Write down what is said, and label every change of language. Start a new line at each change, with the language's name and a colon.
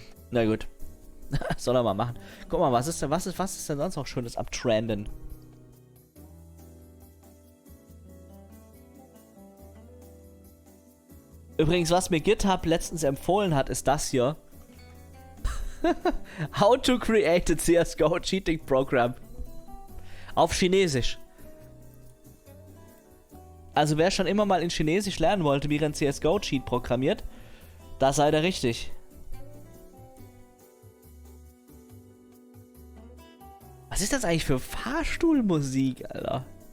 German: Na gut, soll er mal machen. Guck mal, was ist denn sonst noch Schönes am Trenden? Übrigens, was mir GitHub letztens empfohlen hat, ist das hier.
English: How to create a CSGO cheating program.
German: Auf Chinesisch. Also wer schon immer mal in Chinesisch lernen wollte, wie ein CSGO cheat programmiert, da sei der richtig. Was ist das eigentlich für Fahrstuhlmusik, Alter?